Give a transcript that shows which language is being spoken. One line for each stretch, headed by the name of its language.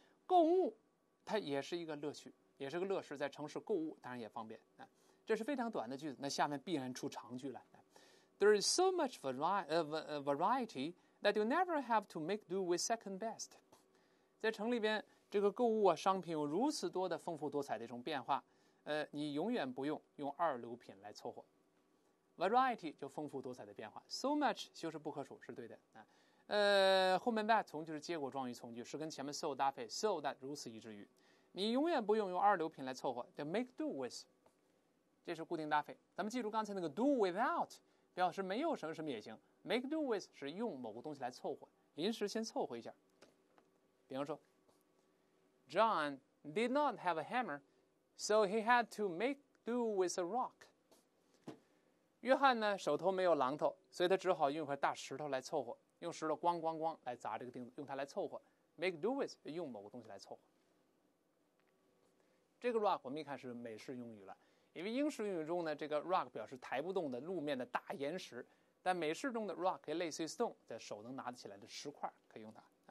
Chinese: 购物，它也是一个乐趣，也是个乐事，在城市购物当然也方便啊。这是非常短的句子，那下面必然出长句来。
English: There is so much variety that you never have to make do with second best。
Chinese: 在城里边，这个购物啊，商品有如此多的丰富多彩的一种变化，你永远不用用二流品来凑合。 Variety 就丰富多彩的变化 ，so much 就是不可数，是对的啊。后面 that 从就是结果状语从句，是跟前面 so 搭配 ，so that 如此以至于，你永远不用用二流品来凑合，就 make do with， 这是固定搭配。咱们记住刚才那个 do without 表示没有什么什么也行 ，make do with 是用某个东西来凑合，临时先凑合一下。比方说 ，
English: John did not have a hammer， so he had to make do with a rock。
Chinese: 约翰呢，手头没有榔头，所以他只好用一块大石头来凑合，用石头咣咣咣来砸这个钉子，用它来凑合。 Make do with 用某个东西来凑合。这个 rock 我们一看是美式用语了，因为英式用语中呢，这个 rock 表示抬不动的路面的大岩石，但美式中的 rock 类似于 stone， 在手能拿得起来的石块可以用它。